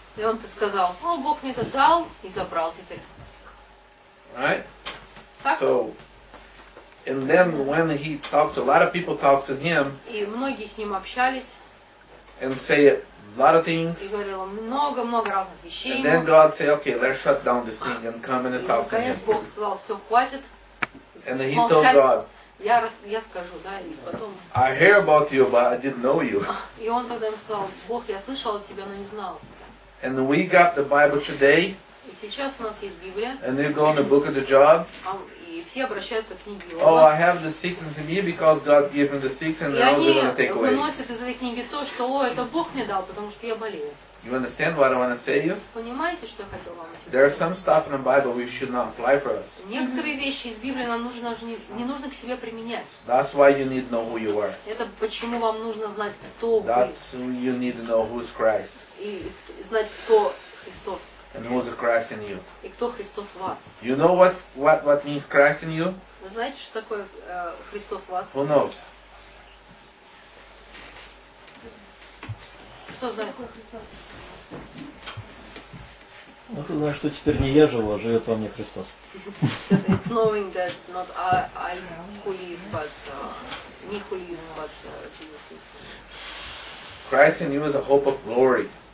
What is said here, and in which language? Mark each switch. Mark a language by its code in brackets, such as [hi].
[ru] И он сказал: "О, Бог мне это дал и забрал теперь." [en] Right? So, and then when he talks, a lot of people talk to him. [ru] И многие с ним общались. [en] And say a lot of things. [ru] И говорил много разных вещей. [en] And then God said, "Okay, let's shut down this thing and come and talk to him." [ru] И наконец Бог сказал: "Все, хватит." [en] And he told God. [ru] Я скажу, да, и потом. [en] I hear about you, but I didn't know you. [ru] И он тогда ему сказал: "Бог, я слышал о тебе, но не знал." [en] And we got the Bible today. [ru] И сейчас у нас есть Библия. [en] And they're going to Book of the Job. [ru] И все обращаются к книге Иова. [en] Oh, I have the sickness in me because God gave me the sickness and they're all going to take away. [ru] И они выносят из этой книги то, что, о, это Бог мне дал, потому что я болею. [en] You understand what I want to say to you? [ru] Понимаете, что я хотел вам сказать? [en] There are some stuff in the Bible we should not apply for us. [ru] Некоторые вещи из Библии нам нужно не нужно к себе применять. [en] That's why you need to know who you are. [ru] Это почему вам нужно знать, кто вы. [en] That's you need to know who's Christ. [ru] И знать, кто Христос. [en] And who's the Christ in you? [ru] И кто Христос в вас? [en] You know what means Christ in you? [ru] Вы знаете, что такое Христос в вас? [en] Who knows? [ru] Ну, ты знаешь, что теперь не я живу, а живет во мне Христос. [en] It's knowing that not I who live, but me who live, but Jesus is. Christ in you is a hope of glory.